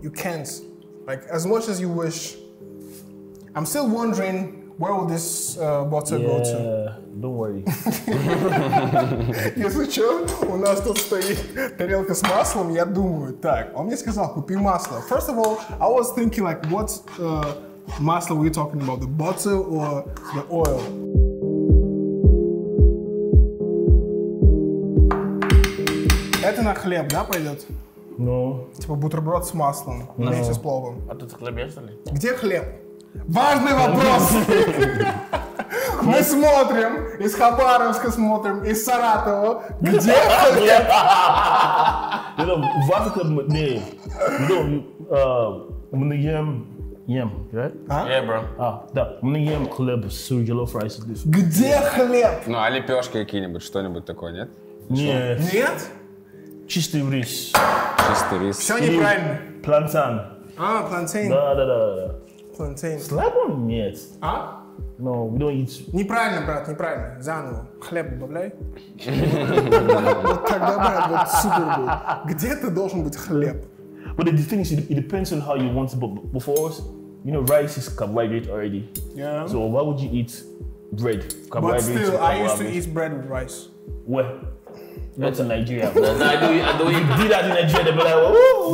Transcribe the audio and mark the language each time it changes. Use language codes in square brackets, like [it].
[en] You can't. Like, as much as you wish. I'm still wondering where will this butter go to? Don't worry. [ru] Если что, у нас тут стоит тарелка с маслом, я думаю, так, он мне сказал, купи масло. [en] First of all, I was thinking like, what масло were you talking about, the butter or the oil? [ru] Это на хлеб, да, пойдет? Ну. Типа бутерброд с маслом вместе с пловом. А тут хлеб есть ли? Где хлеб? Важный вопрос! Мы смотрим, из Хабаровска смотрим, из Саратова. Где хлеб? Не, ну, важный хлеб мы... Не, ну, мы ем... Ем, [en] right? [ru] Ем, бро. А, да, мы ем хлеб с jollof rice. Где хлеб? Ну, а лепешки какие-нибудь, что-нибудь такое, нет? Нет. Нет? Чистый рис. Чистый рис. Все неправильно. Плантан. А, плантейн. Да. Плантейн. С хлебом? Нет. А? [en] No, we don't eat. [ru] Неправильно, брат, неправильно. Заново. Хлеб добавляй. Вот тогда, брат, вот супер был. Где ты должен быть хлеб? [en] But the thing is, it depends on how you want it. But for us, you know, rice is carbohydrate already. Yeah. So why would you eat bread? Carbohydrate. But still, I used to eat bread with rice. Where? Not in Nigeria. No, I do. You did that in Nigeria, they'd be like, oh,